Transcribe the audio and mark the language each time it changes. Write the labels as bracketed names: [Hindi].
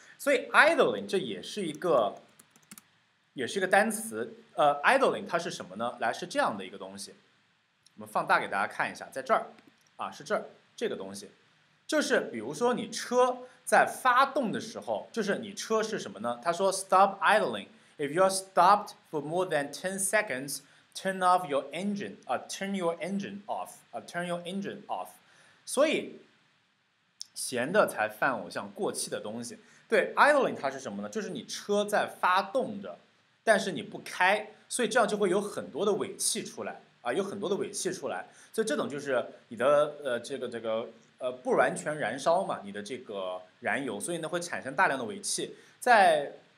[Chinese] 所以 idling 这也是一个单词。 idling 它是什么呢？来，是这样的一个东西，我们放大给大家看一下，在这儿啊，是这儿这个东西，就是比如说你车在发动的时候，就是你车是什么呢？他说 [English] stop idling if you're stopped for more than 10 seconds. Turn off your engine, turn your engine off, turn your engine off. [Chinese] 所以闲的才犯偶像，过气的东西。对， idling 它是什么呢？就是你车在发动着，但是你不开，所以这样就会有很多的尾气出来啊，有很多的尾气出来。所以这种就是你的不完全燃烧嘛，你的这个燃油，所以呢会产生大量的尾气在。